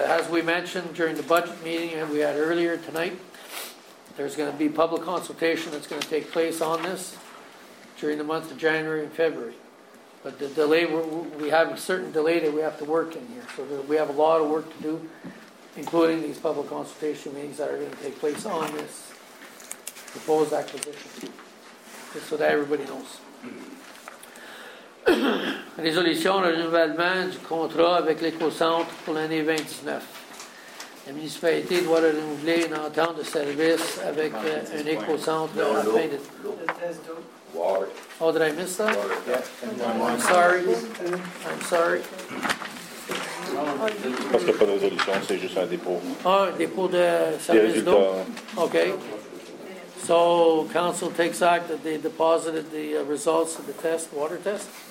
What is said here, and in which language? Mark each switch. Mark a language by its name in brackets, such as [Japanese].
[English] As we mentioned during the budget meeting that we had earlier tonight, there's going to be public consultation that's going to take place on this during the month of January and February. But the delay, we have a certain delay that we have to work in here. So we have a lot of work to do, including these public consultation meetings that are going to take place on this proposed acquisition, just so that everybody knows. [French] Résolution de renouvellement du contrat avec l'éco-centre pour l'année 29. La municipalité doit renouveler une entente de service avec un éco-centre afin de... [English] Water. Oh, did I miss that? Water. I'm sorry. [French] Parce qu'il n'y a pas de résolution, c'est juste un dépôt. Ah, un dépôt de service d'eau. OK. [English] So council takes act that they deposited the results of the test, water test.